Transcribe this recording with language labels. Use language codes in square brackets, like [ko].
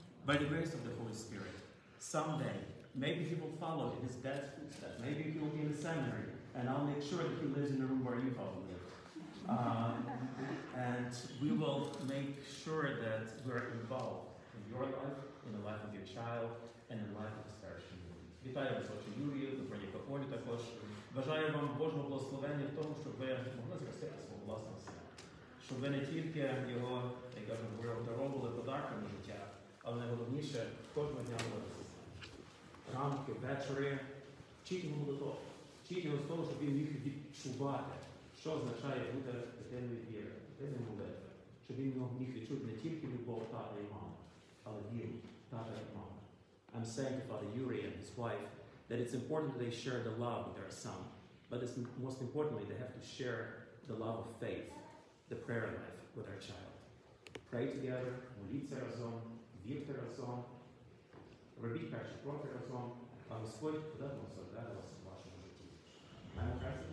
[en] By the grace of the Holy Spirit, someday, maybe he will follow in his dad's footsteps. Maybe he will be in the seminary. And I'll make sure that he lives in the room where you follow me. And we will make sure that we're involved in your life, in the life of your child, and in the life of the parish community. [uk] Вітаю вас, отче Юрію, добродійко Олю також. Бажаю вам Божого благословення в тому, щоб ви могли зрости на свого власного сина. Щоб ви не тільки його, як я вже говорив, даровували подарками життя, але найголовніше, кожного дня молитися. Ранки, вечори, вчіть його молитов. Вчіть його з того, щоб він міг відчувати, що означає бути дитиною віри, дитиною молитви. Щоб він міг відчути не тільки любов тата і мами, але віру. [en] I'm saying to Father Yuri and his wife that it's important that they share the love with their son, but it's most importantly they have to share the love of faith, the prayer life, with their child. Pray together, [uk] моліться разом, вірте разом, робіть перші кроки разом, а Господь буде благословляти вас у вашому житті.